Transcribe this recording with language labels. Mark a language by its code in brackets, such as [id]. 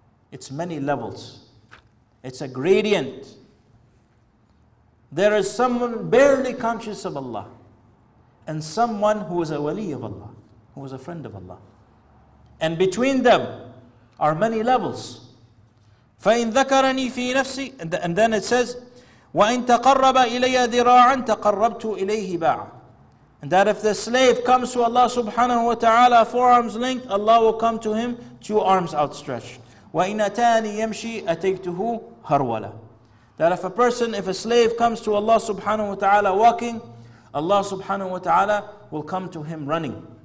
[en] It's many levels. It's a gradient. There is someone barely conscious of Allah and someone who is a wali of Allah, who is a friend of Allah. And between them are many levels. [ar] فَإِنْ ذَكَرَنِي فِي نَفْسِي. [en] And then it says, [ar] وَإِنْ تَقَرَّبَ إِلَيَّ ذِرَاعًا تَقَرَّبْتُ إِلَيْهِ بَاعًا. [en] And that if the slave comes to Allah subhanahu wa ta'ala four arms length, Allah will come to him two arms outstretched. [ar] وَإِنْ أَتَانِي يَمْشِي أَتَيْتُهُ هَرْوَلًا. [en] That if a person, if a slave comes to Allah subhanahu wa ta'ala walking, Allah subhanahu wa ta'ala will come to him running.